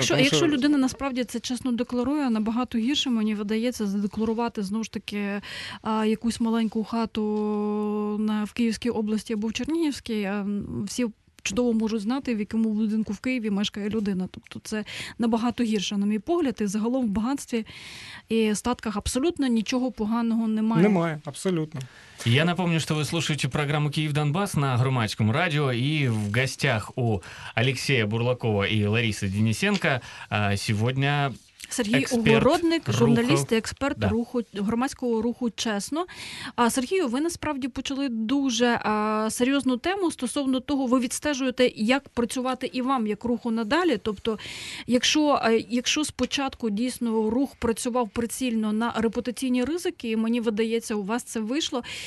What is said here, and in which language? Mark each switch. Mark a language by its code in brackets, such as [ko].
[uk] Ну, якщо людина насправді це чесно декларує, набагато гірше мені видається задекларувати, знову ж таки, якусь маленьку хату в Київській області або в Чернігівській, всі чудово можуть знати, в якому будинку в Києві мешкає людина. Тобто це набагато гірше, на мій погляд. І загалом в багатстві і статках абсолютно нічого поганого немає. Немає, абсолютно. [ru] Я напомню, что вы слушаете программу «Киев-Донбасс» на Громадском радио. И в гостях у Алексея Бурлакова и Ларисы Денисенко сегодня... [uk] Сергій Огородник, журналіст і експерт руху громадського руху «Чесно». А Сергію, ви насправді почали дуже серйозну тему стосовно того, ви відстежуєте, як працювати і вам, як руху надалі. Тобто, якщо спочатку дійсно рух працював прицільно на репутаційні ризики, і мені видається, у вас це вийшло.